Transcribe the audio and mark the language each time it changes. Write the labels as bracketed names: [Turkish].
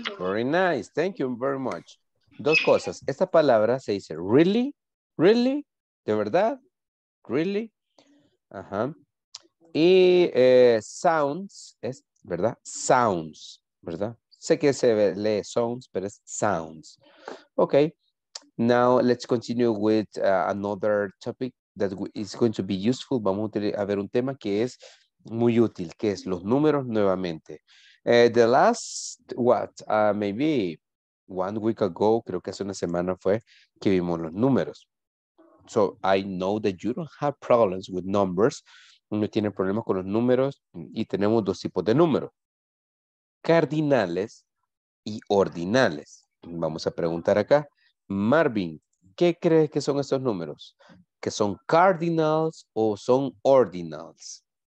[English] Very nice. Thank you very much. [Spanish] Dos cosas. Esta palabra se dice really? Really? ¿De verdad? Really? Ajá. Y sounds, es, ¿verdad? Sounds, ¿verdad? Sé que se lee sounds, pero es sounds. Okay. [English] Now let's continue with another topic that is going to be useful. [Spanish] Vamos a ver un tema que es muy útil, que es los números nuevamente. [English] The last, what? Maybe 1 week ago, [Spanish] creo que hace una semana fue que vimos los números. [English] So I know that you don't have problems with numbers. [Spanish] Uno tiene problemas con los números y tenemos dos tipos de números. Cardinales y ordinales. Vamos a preguntar acá. Marvin, ¿qué crees que son estos números? ¿Que son cardinals o son ordinals?